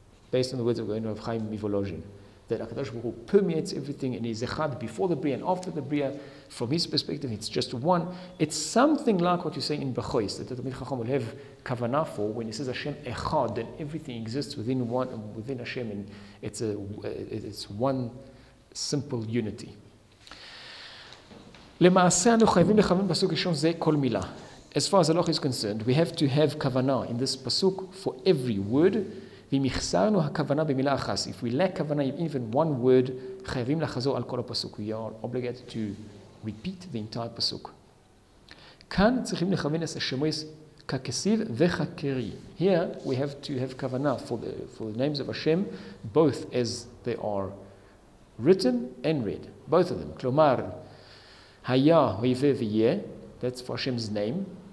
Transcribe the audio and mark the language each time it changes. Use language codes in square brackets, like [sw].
[en] Based on the words of Gaon Rav Chaim Mivolozhin. That HaKadosh Baruch Hu permeates everything and is echad before the Bria and after the Bria. From his perspective, it's just one. It's something like what you say in Bechois, that the Talmid Chacham will have kavanah for when he says Hashem echad, then everything exists within one, within Hashem, and it's one simple unity. [he] למעשה אנו חייבים לכוון פסוק ראשון זה כל מילה. [en] As far as the law is concerned, we have to have kavana in this pasuk for every word. [he] ואם יחסרנו הכוונה במילה אחת, [en] if we lack kavana in even one word, [he] חייבים לחזור על כל הפסוק. [en] We are obligated to repeat the entire pasuk. [he] כאן צריכים לכוון את השמות ככסיב וככרי. [en] Here we have to have kavana for the names of Hashem, both as they are written and read, both of them. [he] כלומר, היה, היווה ויהיה, [en] that's for Hashem's name.